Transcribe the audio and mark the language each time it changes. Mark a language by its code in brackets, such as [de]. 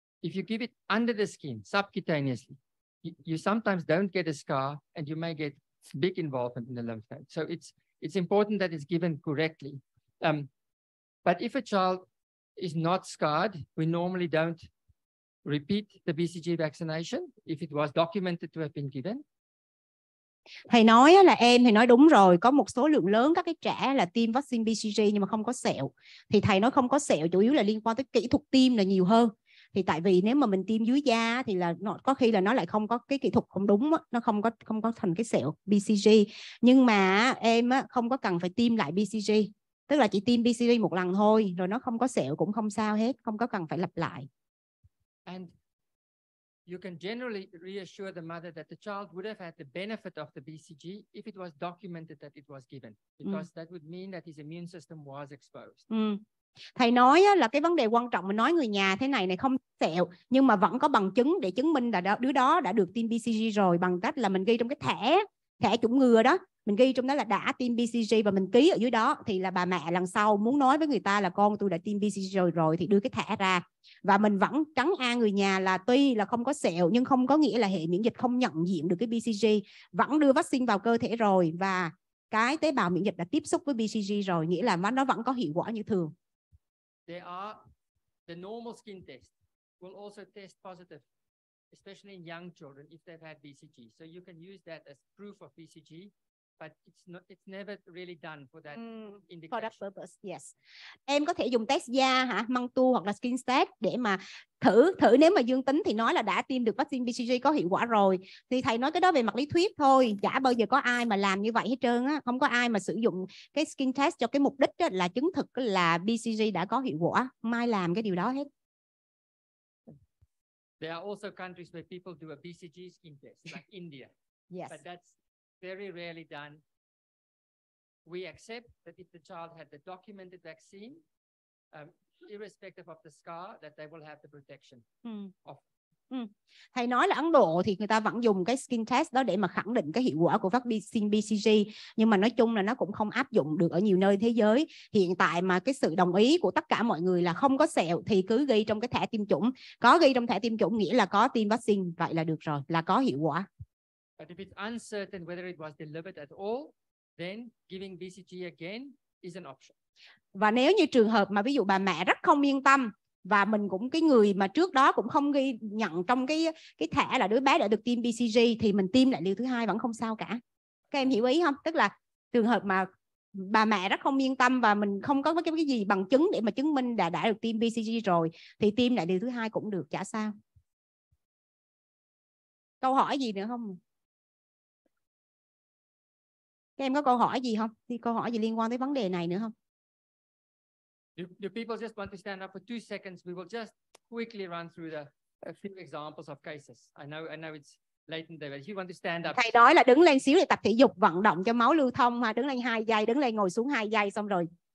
[en] If you give it under the skin, subcutaneously, you sometimes don't get a scar and you may get big involvement in the lymph node. So it's important that it's given correctly. But if a child is not scarred, we normally don't repeat the BCG vaccination if it was documented to have been given. [vi] Thầy nói là em, thầy nói đúng rồi, có một số lượng lớn các cái trẻ là tiêm vaccine BCG nhưng mà không có sẹo. Thì thầy nói không có sẹo chủ yếu là liên quan tới kỹ thuật tiêm là nhiều hơn. Thì tại vì nếu mà mình tiêm dưới da thì là nó, có khi là nó lại không có cái kỹ thuật không đúng, nó không có thành cái sẹo BCG. Nhưng mà em không có cần phải tiêm lại BCG, tức là chỉ tiêm BCG một lần thôi, rồi nó không có sẹo cũng không sao hết, không có cần phải lặp lại. [en] And you can generally reassure the mother that the child would have had the benefit of the BCG if it was documented that it was given, because that would mean that his immune system was exposed. [vi] Thầy nói là cái vấn đề quan trọng mình nói người nhà thế này này, không sẹo nhưng mà vẫn có bằng chứng để chứng minh là đứa đó đã được tiêm BCG rồi, bằng cách là mình ghi trong cái thẻ chủng ngừa đó, mình ghi trong đó là đã tiêm BCG và mình ký ở dưới đó, thì là bà mẹ lần sau muốn nói với người ta là con tôi đã tiêm BCG rồi thì đưa cái thẻ ra. Và mình vẫn trấn an người nhà là tuy là không có sẹo nhưng không có nghĩa là hệ miễn dịch không nhận diện được cái BCG, vẫn đưa vaccine vào cơ thể rồi và cái tế bào miễn dịch đã tiếp xúc với BCG rồi, nghĩa là nó vẫn có hiệu quả như thường. [en] There are the normal skin test will also test positive, especially in young children if they've had BCG. So you can use that as proof of BCG, but it's never really done for that indication. For that purpose, yes. [vi] Em có thể dùng test da hả, măng tu hoặc là skin test để mà thử nếu mà dương tính thì nói là đã tiêm được vaccine BCG có hiệu quả rồi. Thì thầy nói cái đó về mặt lý thuyết thôi, chả bao giờ có ai mà làm như vậy hết trơn á, không có ai mà sử dụng cái skin test cho cái mục đích đó là chứng thực là BCG đã có hiệu quả, không ai làm cái điều đó hết. [en] There are also countries where people do a BCG skin test, like India. Yes. But that's very rarely done. We accept that if the child had the documented vaccine, irrespective of the scar, that they will have the protection. [vi] Thầy nói là Ấn Độ thì người ta vẫn dùng cái skin test đó để mà khẳng định cái hiệu quả của vaccine BCG, nhưng mà nói chung là nó cũng không áp dụng được ở nhiều nơi thế giới. Hiện tại mà cái sự đồng ý của tất cả mọi người là không có sẹo thì cứ ghi trong cái thẻ tiêm chủng, có ghi trong thẻ tiêm chủng nghĩa là có tiêm vaccine, vậy là được rồi, là có hiệu quả. But if it's uncertain whether it was delivered at all, then giving BCG again is an option. Và nếu như trường hợp mà ví dụ bà mẹ rất không yên tâm và mình cũng cái người mà trước đó cũng không ghi nhận trong cái thẻ là đứa bé đã được tiêm BCG thì mình tiêm lại liều thứ hai vẫn không sao cả. Các em hiểu ý không? Tức là trường hợp mà bà mẹ rất không yên tâm và mình không có cái gì bằng chứng để mà chứng minh đã được tiêm BCG rồi thì tiêm lại liều thứ hai cũng được, chả sao. Câu hỏi gì nữa không? Các em có câu hỏi gì không? Thì câu hỏi gì liên quan tới vấn đề này nữa không? [en] Do people just want to stand up for 2 seconds? We will just quickly run through a few examples of cases. I know it's late in the day, but if you want to stand up. [vi] Thầy nói là đứng lên xíu để tập thể dục, vận động cho máu lưu thông. Ha? Đứng lên 2 giây, đứng lên ngồi xuống 2 giây xong rồi.